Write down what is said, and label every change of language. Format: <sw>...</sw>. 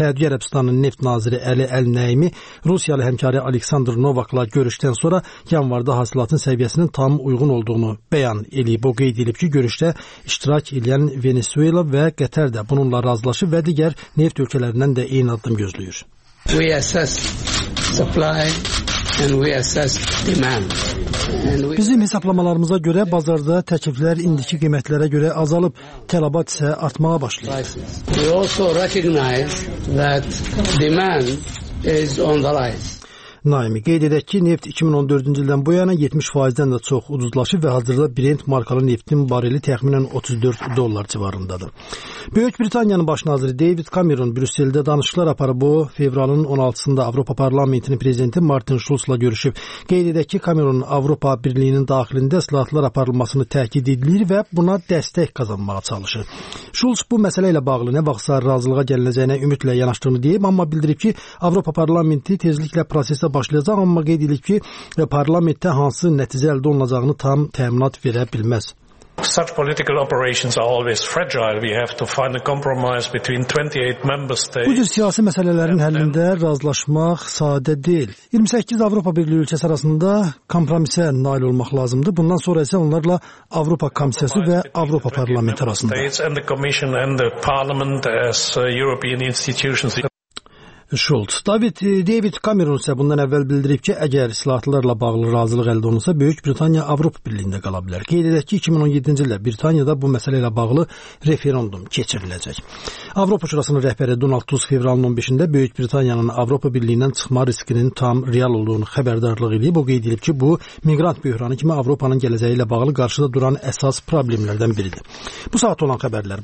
<az>Səudiyyə Ərəbistanının neft naziri Əli Əl-Nəimi Rusiyalı həmkarı Aleksandr Novakla görüşdən sonra yanvarda hasilatın səviyyəsinin tam uyğun olduğunu bəyan edib. O qeyd edib ki, görüşdə iştirak edən Venezuela və Qətər də bununla razılaşıb və digər neft ölkələrindən də eyni addım gözləyir.</az> <en>We assess supply and we assess demand.</en> <az>Bizim hesablamalarımıza görə bazarda təkliflər indiki qiymətlərə görə azalıb, tələbat isə artmağa başlayıb.</az> <en>We also recognize that demand is on the rise.</en> <az>Naimi qeyd edək ki, neft 2014-cü ildən bu yana 70%-dən də çox ucuzlaşıb və hazırda Brent markalı neftin bareli təxminən $34 civarındadır. Böyük Britaniyanın baş naziri David Cameron Brüsseldə danışıqlar aparıb, bu fevralın 16-da Avropa Parlamentinin prezidenti Martin Schulz-la görüşüb. Qeyd edək ki, Cameron Avropa Birliyinin daxilində islahatlar aparılmasını təkid edilir və buna dəstək qazanmağa çalışır. Schulz bu məsələ ilə bağlı nə vaxtsa razılığa gəliləcəyinə ümidlə yanaşdığını deyib, amma bildirib ki, Avropa Parlamenti tezliklə proses də başlayacaq, amma qeyd edilir ki, parlamentdə hansı nəticə əldə olunacağını tam təminat verə bilməz.</az> <en>Such political operations are always fragile. We have to find a compromise between 28 member states.</en> <az>Bu cür siyasi məsələlərin həllində razılaşmaq sadə deyil. 28 Avropa Birliyi ölkəsi arasında kompromisə nail olmaq lazımdır. Bundan sonra isə onlarla Avropa Komissiyası və Avropa Parlamenti arasında.</az> <en>And the Commission and the Parliament as European institutions.</en> <az>Schulz. David Cameron isə bundan əvvəl bildirib ki, əgər islahatlarla bağlı razılıq əldə olunsa, Böyük Britaniya Avropa Birliyində qala bilər. Qeyd edək ki, 2017-ci ildə Britaniyada bu məsələ ilə bağlı referendum keçiriləcək. Avropa Şurasının rəhbəri Donald Tusk fevralın 15-də Böyük Britaniyanın Avropa Birliyindən çıxma riskinin tam real olduğunu xəbərdarlıq edib. O qeyd edib ki, bu miqrant böhranı kimi Avropanın gələcəyi ilə bağlı qarşıda duran əsas problemlərdən biridir. Bu saat olan xəbərlər.</az>